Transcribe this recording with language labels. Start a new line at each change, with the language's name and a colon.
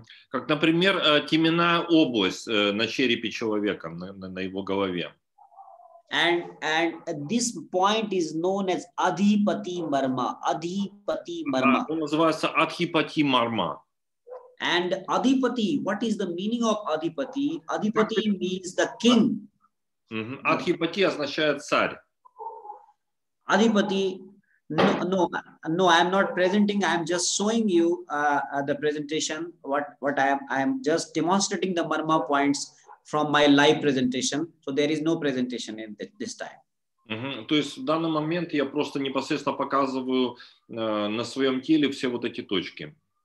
Russian: Как, например, теменная область на черепе человека, на его голове.
English: And this point is known as Adhipati Marma. Adhipati Marma.
Russian: Он называется Адхипати Марма.
English: And Adhipati, what is the meaning of Adhipati? Adhipati means the king. Mm-hmm.
Russian: Adhipati означает царь.
English: Adhipati, no, I am not presenting. I am just showing you the presentation. What I am just demonstrating the Marma points from my live presentation. So there is no presentation in this time. Mm-hmm.
Russian: То есть в данный момент я просто непосредственно показываю на своем теле все вот эти точки.